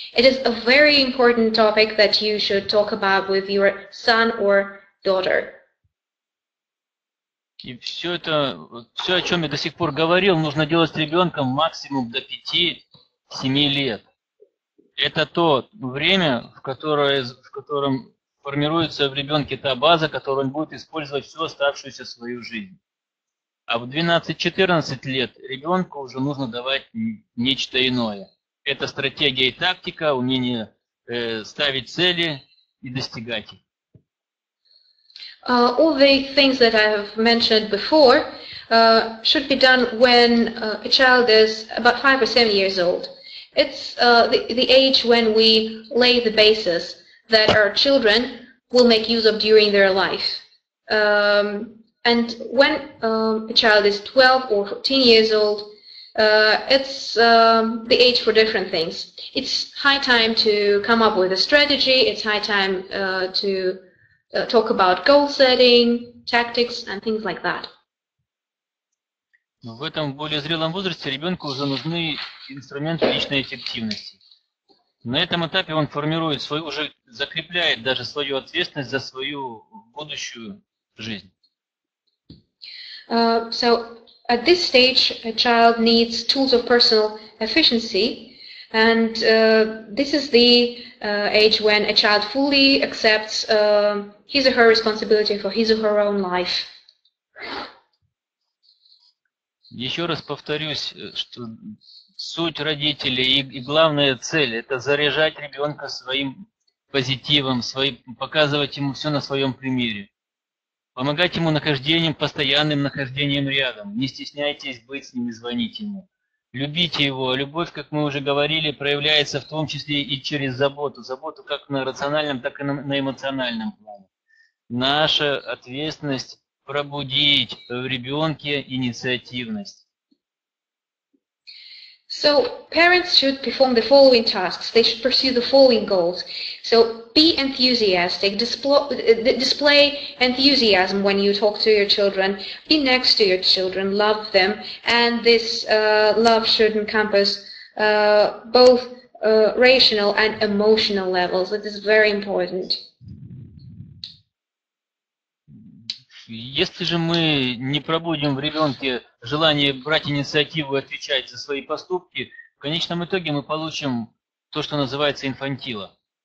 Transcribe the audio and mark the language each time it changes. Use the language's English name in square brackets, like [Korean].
[English] It is a very important topic that you should talk about with your son or daughter. [Russian] И все это, все, о чем я до сих пор говорил, нужно делать с ребенком максимум до 5-7 лет. Это то время, в котором формируется в ребенке та база, которую он будет использовать всю оставшуюся свою жизнь. А в 12-14 лет ребенку уже нужно давать нечто иное. Это стратегия и тактика, умение ставить цели и достигать их. [English] All the things that I have mentioned before should be done when a child is about 5 or 7 years old. It's the age when we lay the basis that our children will make use of during their life. And when a child is 12 or 14 years old, it's the age for different things. It's high time to come up with a strategy, it's high time to talk about goal setting, tactics and things like that. [Russian] В этом более зрелом возрасте ребенку уже нужны инструменты личной эффективности. На этом этапе он формирует свою, уже закрепляет даже свою ответственность за свою будущую жизнь. [English] So at this stage, a child needs tools of personal efficiency, and this is the age when a child fully accepts his or her responsibility for his or her own life. [Russian] Еще раз повторюсь, что суть родителей и главная цель – это заряжать ребенка своим позитивом, показывать ему все на своем примере. Помогать ему нахождением, постоянным нахождением рядом. Не стесняйтесь быть с ним и звонить ему. Любите его. Любовь, как мы уже говорили, проявляется в том числе и через заботу. Заботу как на рациональном, так и на эмоциональном плане. Наша ответственность пробудить в ребенке инициативность. [English] So, parents should perform the following tasks. They should pursue the following goals. So, be enthusiastic. Display enthusiasm when you talk to your children. Be next to your children. Love them. And this love should encompass both rational and emotional levels. It is very important. [Russian] Если же мы не пробудим в ребенке желание брать инициативу и отвечать за свои поступки, в конечном итоге мы получим то, что называется инфантила.